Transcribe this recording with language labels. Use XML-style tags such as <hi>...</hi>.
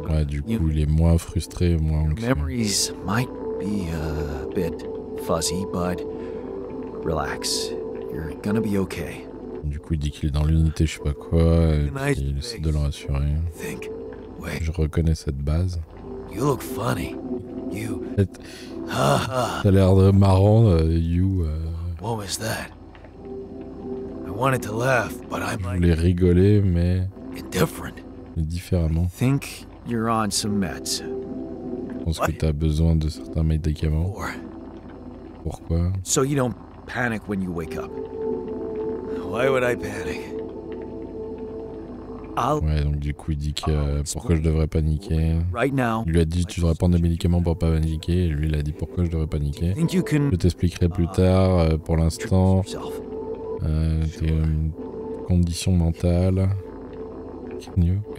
<fr>Ouais, du coup, il est moins frustré, moins anxieux.</fr> <en>Memories might be a bit fuzzy, but relax. You're gonna be okay.</en> <fr>Du coup, il dit qu'il est dans l'unité, je sais pas quoi, et puis il essaie de le rassurer. Je reconnais cette base.</fr> <en>You look funny. You.</en> <fr>T'as l'air de marrant, you.</fr> <en>What was that? I wanted to laugh, but I'm like.</en> <fr>Je voulais rigoler, mais. Indifférent. Différemment.</fr> <en>Think you're on some meds.</en> <fr>Je pense que t'as besoin de certains médicaments. Pourquoi?</fr> <en>So you don't panic when you wake up. Why would I panic?</en> <fr>Ouais, donc du coup, il dit que pourquoi je devrais paniquer.</fr> <en>Right now.</en> <fr>Il lui a dit tu devrais prendre des médicaments pour pas paniquer. Et lui, il a dit pourquoi je devrais paniquer. Je t'expliquerai plus tard. Pour l'instant. T'es une condition mentale.</fr> <en>Can you?</en>